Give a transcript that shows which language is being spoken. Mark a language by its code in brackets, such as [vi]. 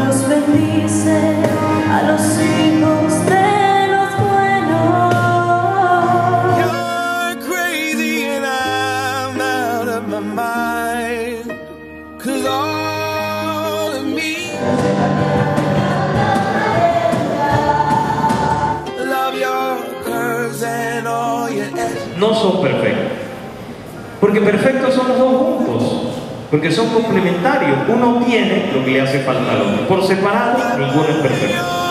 [es] Dios bendice a los hijos de los buenos. [en] You're crazy and I'm out of my mind. 'Cause all of me love your curves and all your edges. [es] No son perfectos, porque perfectos son los dos juntos, porque son complementarios. Uno tiene lo que le hace falta al otro. Por separado, ninguno es perfecto.